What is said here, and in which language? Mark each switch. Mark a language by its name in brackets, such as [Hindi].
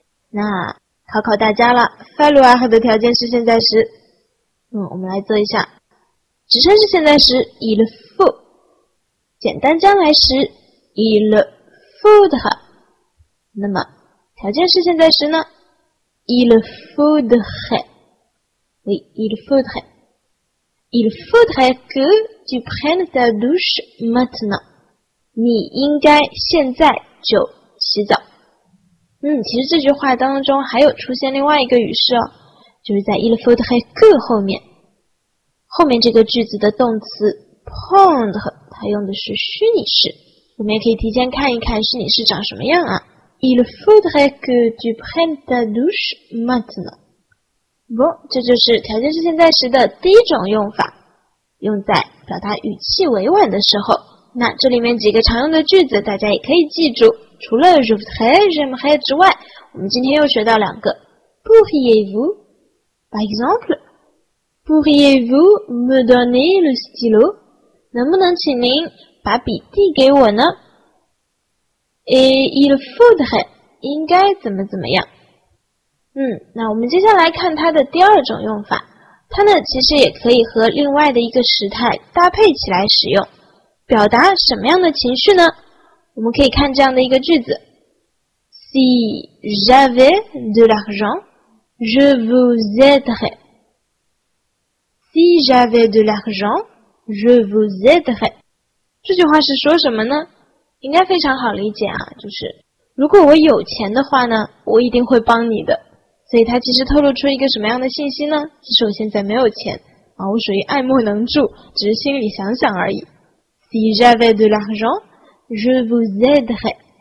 [Chinese] 那考考大家了， falloir 的条件式现在时，我们来做一下。直陈式现在时 [French] il faut， [Chinese] 简单将来时 [French] il faudrait， [Chinese] 那么条件式现在时呢 [French] il faudrait。 Oui, il faudrait que tu prennes ta douche maintenant. [Chinese] 你应该现在就洗澡。其实这句话当中还有出现另外一个语式哦，就是在 [French] il faudrait que [Chinese] 后面。后面这个句子的动词 prendre 它用的是虚拟式。我们也可以提前看一看虚拟式长什么样啊。 [French] Il faudrait que tu prennes ta douche maintenant. [Chinese] Bon, 这就是条件式现在时的第一种用法，用在表达语气委婉的时候。那这里面几个常用的句子大家也可以记住，除了 [French] je voudrais, j'aimerais [Chinese] 之外，我们今天又学到两个 [French] pourriez-vous, par exemple, pourriez-vous me donner le stylo? [Chinese] 能不能请您把笔递给我呢？ [French] Et il faudrait [Chinese] 应该怎么怎么样？那我们接下来看它的第二种用法，它呢其实也可以和另外的一个时态搭配起来使用，表达什么样的情绪呢？ [French] 我们可以看这样的一个句子 ：Si j'avais de l'argent, je vous aiderais. Si j'avais de l'argent, je vous aiderais. [Chinese] 这句话是说什么呢？应该非常好理解啊，就是如果我有钱的话呢，我一定会帮你的。所以它其实透露出一个什么样的信息呢？其实我现在没有钱啊，我属于爱莫能助，只是心里想想而已。 [French] Si j'avais de l'argent, je vous aiderais。